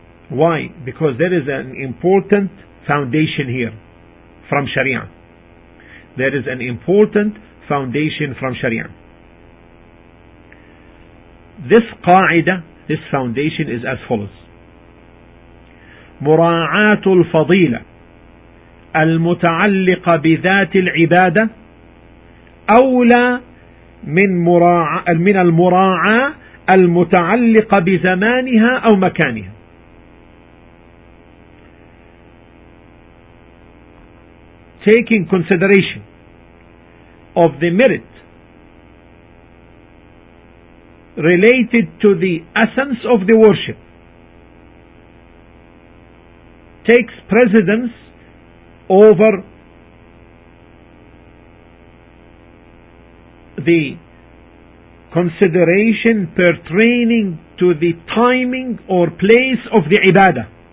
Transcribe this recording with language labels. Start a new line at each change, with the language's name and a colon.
English: Why? Because there is an important foundation here from Sharia. There is an important foundation from Sharia. This qa'idah, this foundation is as follows.
Arabic: مراعات الفضيلة المتعلقة بذات العبادة أولى من المراعاة المتعلقة بزمانها أو مكانها.
English: Taking consideration of the merit related to the essence of the worship takes precedence over the consideration pertaining to the timing or place of the ibadah.